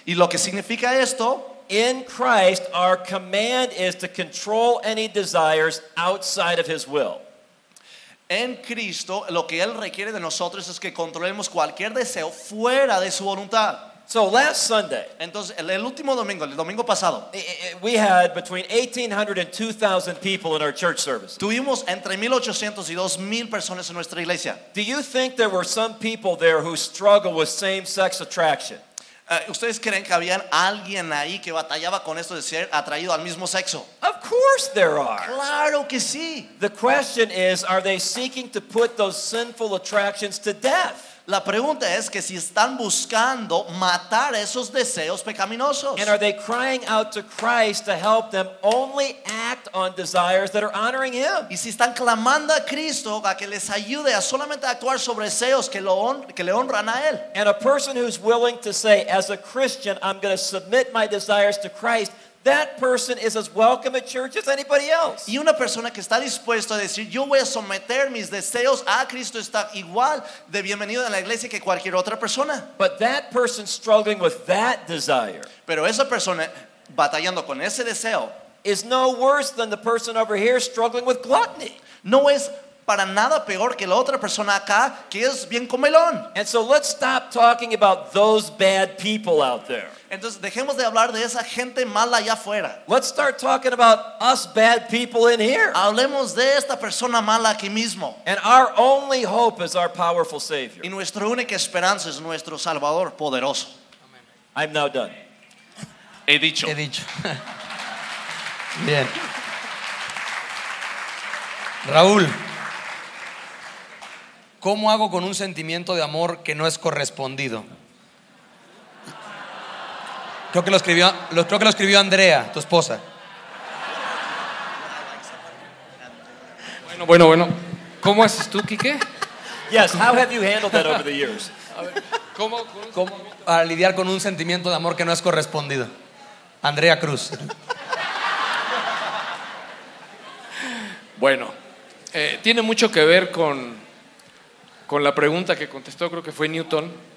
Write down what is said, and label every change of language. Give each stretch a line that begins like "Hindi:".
Spanish: y lo que significa esto,
English: in Christ, our command is to control any desires outside of his will.
Spanish: En Cristo, lo que él requiere de nosotros es que controlemos cualquier deseo fuera de su voluntad.
English: So last Sunday,
Spanish: entonces el último domingo, el domingo pasado,
English: we had between 1,800 and 2,000 people in our church service.
Spanish: Tuvimos entre 1,800 y 2,000 personas en nuestra iglesia.
English: Do you think there were some people there who struggle with same-sex attraction?
Spanish: ¿Ustedes creen que había alguien ahí que batallaba con esto de ser atraído al mismo sexo?
English: Of course there are.
Spanish: Claro que sí.
English: The question is, are they seeking to put those sinful attractions to death?
Spanish: La pregunta es que si están buscando matar esos deseos pecaminosos.
English: And are they crying out to Christ to help them only act on desires that are honoring him?
Spanish: Y si están clamando a Cristo a que les ayude a solamente actuar sobre deseos que le honran a él.
English: And a person who's willing to say, as a Christian, I'm going to submit my desires to Christ, that person is as welcome at church as anybody else.
Spanish: Y una persona que está dispuesta a decir, yo voy a someter mis deseos a Cristo, está igual de bienvenido en la iglesia que cualquier otra persona.
English: But that person struggling with that desire.
Spanish: Pero esa persona batallando con ese deseo
English: is no worse than the person over here struggling with gluttony.
Spanish: No es para nada peor que la otra persona acá que es bien comelón.
English: And so let's stop talking about those bad people out there.
Spanish: Entonces dejemos de hablar de esa gente mala allá afuera.
English: Let's start talking about us bad people in here.
Spanish: Hablemos de esta persona mala aquí mismo.
English: And our only hope is our powerful Savior.
Spanish: Y nuestra única esperanza es nuestro Salvador poderoso.
English: Amen. I'm now done.
Spanish: He dicho. Bien. Raúl. ¿Cómo hago con un sentimiento de amor que no es correspondido? Creo que lo escribió Andrea, tu esposa. Bueno. ¿Cómo haces tú, Quique?
English: Yes, how have you handled that over the years?
Spanish: ¿Cómo para lidiar con un sentimiento de amor que no es correspondido? Andrea Cruz. Bueno, tiene mucho que ver con la pregunta que contestó, creo que fue Newton.